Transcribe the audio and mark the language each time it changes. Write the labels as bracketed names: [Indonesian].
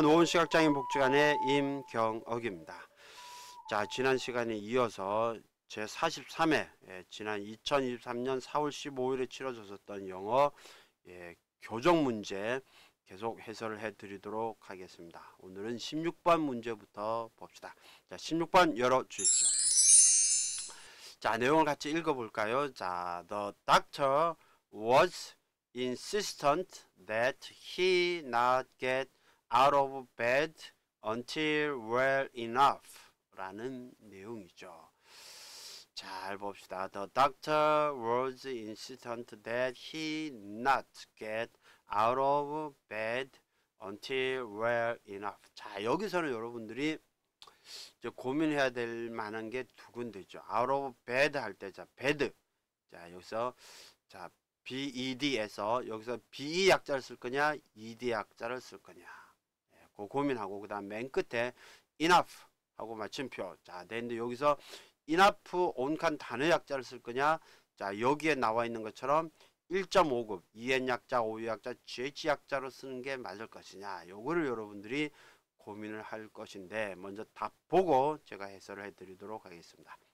[Korean] 노원 시각장애인 복지관의 임경억입니다. 자, 지난 시간에 이어서 제 43회 예, 지난 2023년 4월 15일에 치러졌었던 영어 예, 교정 문제 계속 해설을 해드리도록 하겠습니다. 오늘은 16번 문제부터 봅시다. 자, 16번 열어 주십시오. 자, 내용을 같이 읽어볼까요? 자, [English] The doctor was insistent that he not get out of bed until well enough [Korean] 라는 내용이죠. 잘 봅시다. [English] The doctor was insistent that he not get out of bed until well enough. [Korean] 자, 여기서는 여러분들이 이제 고민해야 될 만한 게 두 군데죠. out of bed 할 때, 자, bed. 자, 여기서, 자, BED에서 여기서 BE 약자를 쓸 거냐 ED 약자를 쓸 거냐 예, 그 고민하고 그 다음 맨 끝에 enough 하고 마침표 자 되는데 여기서 enough 온칸 단어 약자를 쓸 거냐 자 여기에 나와 있는 것처럼 1.5급 EN 약자 OU 약자 GH 약자로 쓰는 게 맞을 것이냐 요거를 여러분들이 고민을 할 것인데 먼저 답 보고 제가 해설을 해 드리도록 하겠습니다.